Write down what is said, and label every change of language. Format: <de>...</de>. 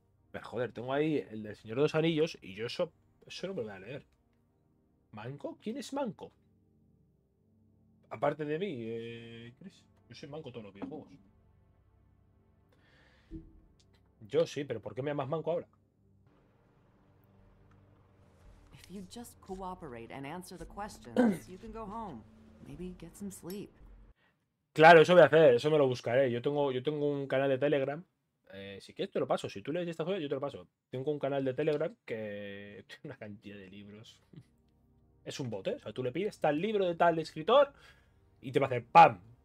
<es>Pero joder, tengo ahí el del Señor de los Anillos y yo eso. Eso no me lo voy a leer. ¿Manco? ¿Quién es Manco? aparte de mí, Chris. Yo soy manco todos los videojuegos. Yo sí, pero ¿por qué me llamas manco ahora?</es> <en>If you just cooperate and answer the questions, you can go home. Maybe get some sleep.</en> <es>Claro, eso voy a hacer, eso me lo buscaré. Yo tengo un canal de Telegram. Si quieres te lo paso, si tú lees esta joya, yo te lo paso. Tengo un canal de Telegram que tiene una cantidad de libros. Es un bote, o sea, tú le pides tal libro de tal escritor y te va a hacer ¡pam!</es>